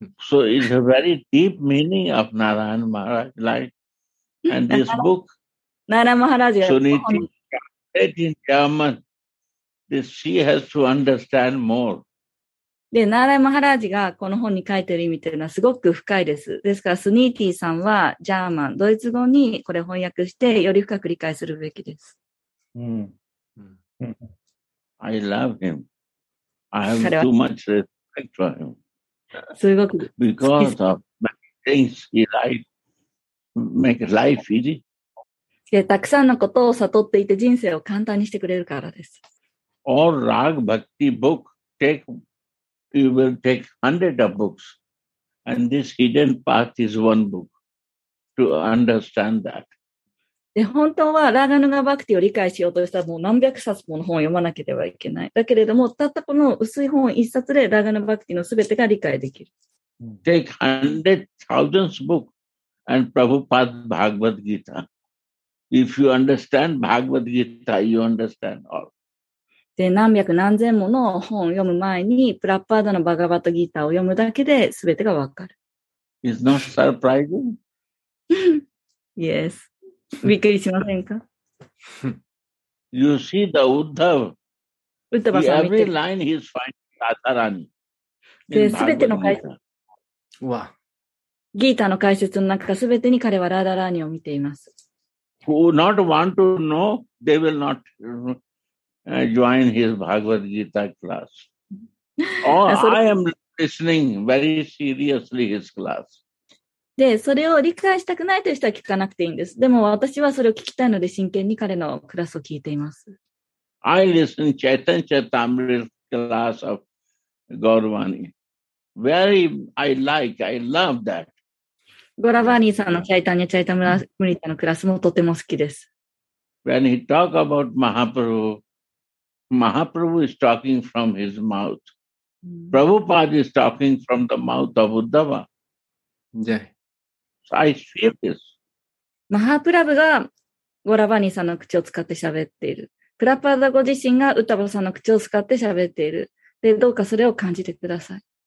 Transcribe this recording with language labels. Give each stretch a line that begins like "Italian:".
English: So it's a very deep meaning of Narayana Maharaj life. And this book, Suniti, translated in German, this she has to understand more.
Japanese: で、Narayana Maharajがこの本に書いてる意味というのはすごく深いです。ですから、Suniti さんはジャーマン、ドイツ語にこれ翻訳してより深く理解するべきです。
English: Mm. I love him. I have too much respect for him. Because of many things he like, make life easy.
Japanese: たくさんのことを悟っていて人生を簡単にしてくれるからです。
English: All rag bhakti book, you will take hundreds of books. And this hidden path is one book to understand that.
Japanese: で本当はラガヌガバクティを理解しようとしたらもう何百冊もの本を読まなければいけない。だけれども、たったこの薄い本一冊でラガヌガバクティのすべてが理解できる。
English: Take hundred thousands book and Prabhupada's Bhagavad Gita. If you understand Bhagavad Gita, you understand all.
Japanese: で何百何千もの本を読む前にプラッパーダのバガバットギターを読むだけですべてがわかる。
English: Is not surprising?
Japanese: Yes. びっくりしませんか
English: You see the Uddhava.
Japanese: Uddhava さん見
English: て。Every line he is finding Radharani.
Japanese: で、すべての解説。わ。ギータの解説の中からすべてに彼はラダラーニを見ています。
English: Who not want to know, they will not join his Bhagavad Gita class. Oh, I am listening very seriously his class.
Japanese: で、それを理解したくないという人は聞かなくていいんです。でも私はそれを聞きたいので真剣に彼のクラスを聞いています。
English: I listen to Chaitanya Charitamrita class of Gauravani. Very, I love that.
Japanese: Gauravani さんの Chaitanya Charitamrita のクラスもとても好きです。
English: When he talk about Mahaprabhu, Mahaprabhu is talking from his mouth. Prabhupada is talking from the mouth of Uddhava. Yeah. I feel this.
Japanese: マハプラブがゴラバニーさんの口を使って喋っている。プラパダご自身がウタバさんの口を使って喋っている。で、どうかそれを感じてください。